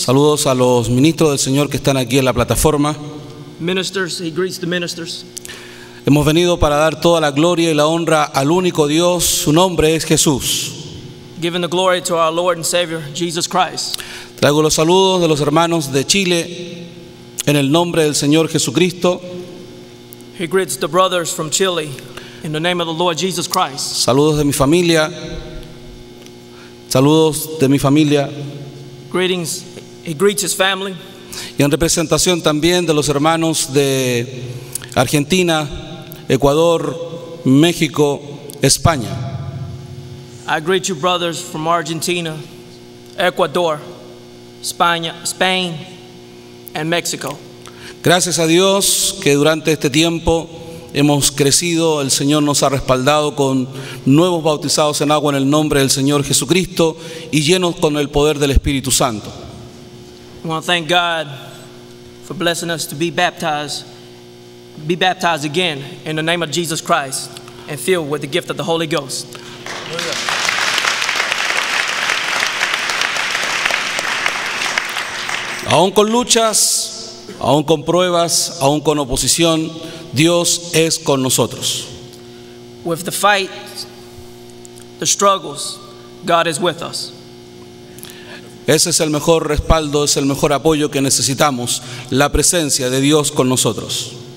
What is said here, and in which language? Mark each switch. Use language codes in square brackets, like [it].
[es] Saludos a los ministros del Señor que están aquí en la plataforma. [en] Ministers, he greets the ministers. [es] Hemos venido para dar toda la gloria y la honra al único Dios, su nombre es Jesús. [en] Giving the glory to our Lord and Savior, Jesus Christ. [es] Traigo los saludos de los hermanos de Chile en el nombre del Señor Jesucristo. [en] He greets the brothers from Chile in the name of the Lord Jesus Christ. [es] Saludos de mi familia. Saludos de mi familia. [en] Greetings. He greets his family. [es] Y en representación también de los hermanos de Argentina, Ecuador, México, España. [en] I greet you, brothers from Argentina, Ecuador, España, Spain, and Mexico. [es] Gracias a Dios que durante este tiempo hemos crecido, el Señor nos ha respaldado con nuevos bautizados en agua en el nombre del Señor Jesucristo y llenos con el poder del Espíritu Santo. [en] I want to thank God for blessing us to be baptized again in the name of Jesus Christ and filled with the gift of the Holy Ghost. [es] Aún con luchas, aún con pruebas, aún con oposición, Dios es con nosotros. [en] With the fight, the struggles, God is with us. [es] Ese es el mejor respaldo, es el mejor apoyo que necesitamos, la presencia de Dios con nosotros.